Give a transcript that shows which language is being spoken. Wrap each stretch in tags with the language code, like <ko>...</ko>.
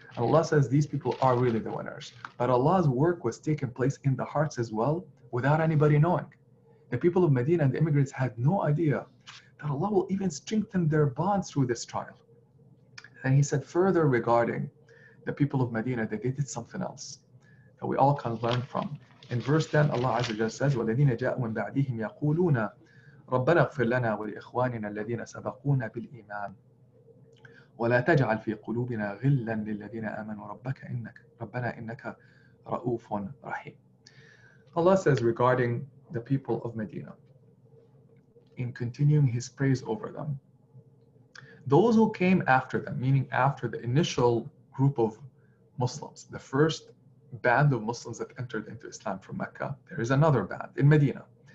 <en>And Allah says these people are really the winners. But Allah's work was taking place in the hearts as well, without anybody knowing. The people of Medina and the immigrants had no idea that Allah will even strengthen their bonds through this trial. And he said further regarding the people of Medina that they did something else that we all can learn from. In verse 10, Allah Azza wa Jalla says,</en> <ar>وَالَّذِينَ جَاءُوا مِنْ بَعْدِهِمْ يَقُولُونَ رَبَّنَا اغْفِرْ لَنَا وَلِإِخْوَانِنَا الَّذِينَ سَبَقُونَا بِالْإِيمَانِ وَلَا تَجْعَلْ فِي قُلُوبِنَا غِلًّا لِلَّذِينَ آمَنُوا رَبَّنَا إِنَّكَ رَؤُوفٌ رَحِيمٌ.</ar> <en>Allah says regarding the people of Medina, in continuing his praise over them, those who came after them, meaning after the initial group of Muslims, the first band of Muslims that entered into Islam from Mecca. There is another band in Medina.</en>